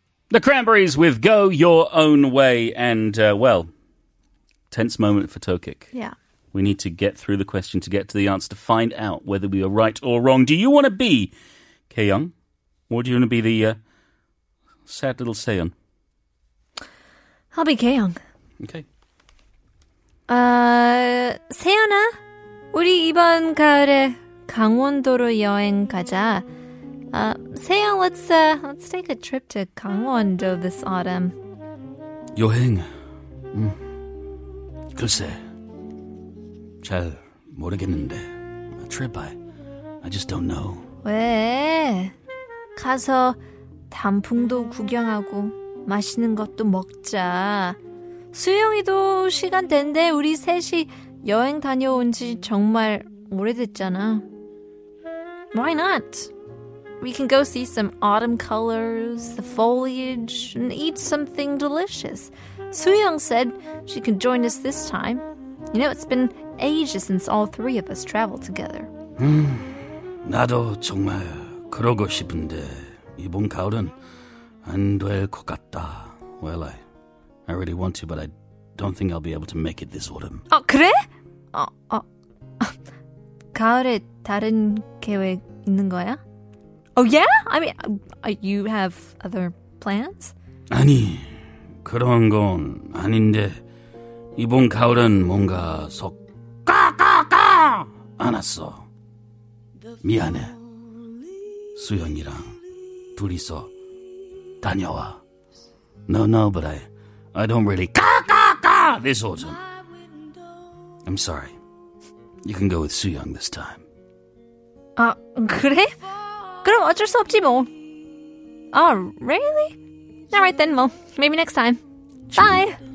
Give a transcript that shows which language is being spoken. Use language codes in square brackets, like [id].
[en] The Cranberries with Go Your Own Way and, well, tense moment for Tokic. Yeah. We need to get through the question to get to the answer to find out whether we are right or wrong. Do you want to be Kaeyoung? Or do you want to be the sad little Seon? I'll be Kaeyoung. Okay. [ko] Seon아, 우리 이번 가을에 강원도로 여행 가자. [en] Seon, let's take a trip to Gangwon-do this autumn. [ko] 여행. 글쎄, 잘 모르겠는데. [en] A trip, I just don't know. [ko] 왜? 가서 단풍도 구경하고 맛있는 것도 먹자. 수영이도 시간 된대. 우리 셋이 여행 다녀온 지 정말 오래됐잖아. [en] Why not? We can go see some autumn colors, the foliage, and eat something delicious. Suyoung said she can join us this time. You know, it's been ages since all three of us traveled together. [ko] 나도 정말 그러고 싶은데 이번 가을은 안 될 것 같다. [en] Well, I really want to, but I don't think I'll be able to make it this autumn. [ko] 아, 그래? 가을에 다른 계획 있는 거야? [en] Oh, yeah? I mean, you have other plans? [ko] 아니, 그런 건 아닌데 이번 가을은 뭔가 속 까까까 안았어. 미안해. 수연이랑 둘이서 다녀와. [en] No, but I don't really 까까까 this autumn. I'm sorry. You can go with Suyoung this time. [ko] 아, 그래? 그럼 어쩔 수 없지 뭐. [en] Oh, really? All right then, well, maybe next time. Bye.